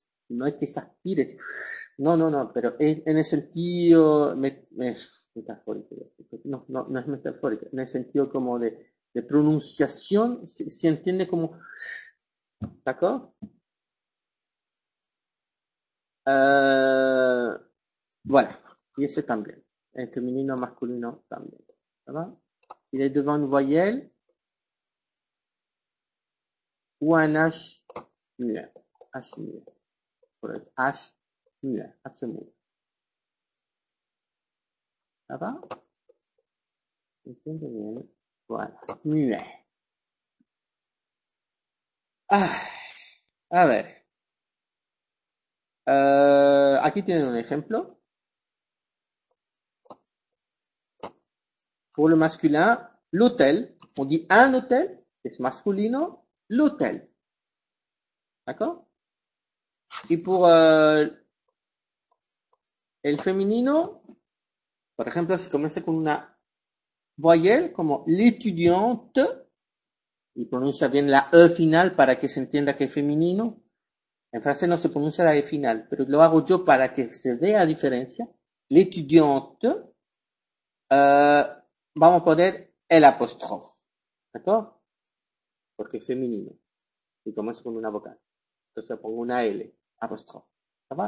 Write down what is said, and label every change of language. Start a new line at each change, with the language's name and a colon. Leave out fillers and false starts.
Spanish: No es que se aspire, no, no, no, pero es en el sentido metafórico, no es metafórico, en el sentido como de pronunciación, se entiende como, ¿d'accord? Bueno, y ese también.
French: En féminin, masculin, también. Ça va? Il est devant une voyelle ou un H muet. H muet. Pour être H muet. H muet. Ça va? Voilà. Muet.
Spanish: Ah. A ver. Aquí tienen un ejemplo.
French: Pour le masculin, l'hôtel, on dit un hôtel, c'est masculino, l'hôtel. D'accord? Et pour el féminino, par exemple, si je commence avec une voyelle, comme l'étudiante, il prononce bien la E finale
Spanish: para que se entienda que es féminino.
French: En français, non, se prononce la E finale,
Spanish: pero lo hago yo para que se vea la diferencia. L'étudiante, vamos a poner el apóstrofe. ¿D'accord? Porque es femenino. Y comienza con una vocal. Entonces pongo una L. Apóstrofe. ¿Va?